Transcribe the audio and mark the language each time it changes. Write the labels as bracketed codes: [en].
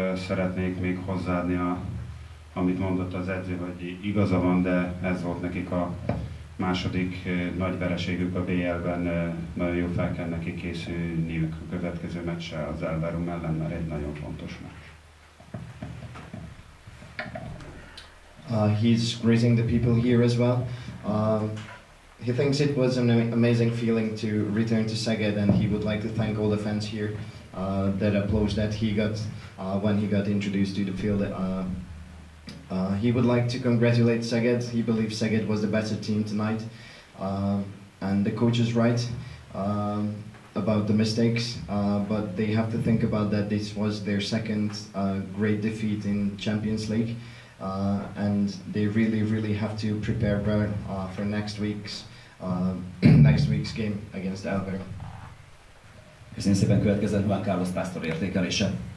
[hu] Szeretnék még hozzáadni, amit mondott az edző, hogy igaza van, de ez volt nekik a második nagy vereségük a BL-ben, nagyon jó fel kell neki készülni a következő meccse az Elverum ellen, mert egy nagyon fontos meccs. [en] He's greeting the people here as well. He thinks it was an amazing feeling to return to Szeged, and he would like to thank all the fans here that applause that he got when he got introduced to the field. He would like to congratulate Szeged. He believes Szeged was the better team tonight. And the coach is right about the mistakes, but they have to think about that this was their second great defeat in Champions League. And they really, really have to prepare well for next week's game against Elver. [hu] Köszönöm szépen, következett Juan Carlos Pastor értékelése.